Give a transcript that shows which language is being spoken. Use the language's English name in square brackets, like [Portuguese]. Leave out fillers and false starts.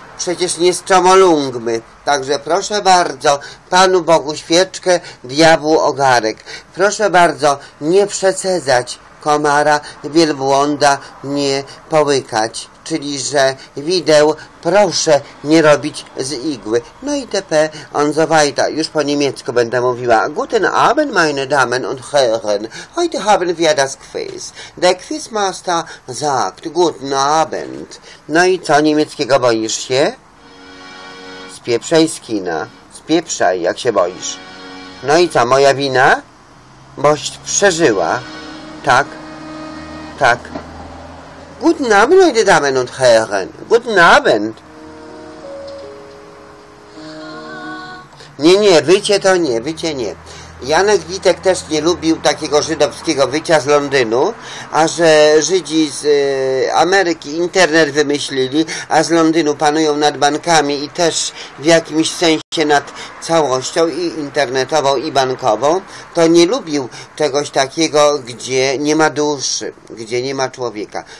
[Polish] Przecież nie z Czomolungmy. Także proszę bardzo, Panu Bogu świeczkę, diabłu ogarek. Proszę bardzo, nie przecedzać komara, wielbłąda nie połykać. Czyli, że wideł proszę nie robić z igły. No i tepe on so weiter. Już po niemiecku będę mówiła. [German] Guten Abend, meine Damen und Herren. Heute haben wir das Quiz. Der Quizmaster sagt, guten Abend. [Polish] No i co, niemieckiego boisz się? Spieprzaj z kina. Spieprzaj, jak się boisz. No i co, moja wina? Boś przeżyła. Tak? Tak. [German] Guten Abend, meine Damen und Herren. Guten Abend. [Polish] Nie, nie, wycie to nie, wycie nie. Janek Witek też nie lubił takiego żydowskiego wycia z Londynu, a że Żydzi z Ameryki internet wymyślili, a z Londynu panują nad bankami i też w jakimś sensie nad całością i internetową i bankową, to nie lubił czegoś takiego, gdzie nie ma duszy, gdzie nie ma człowieka.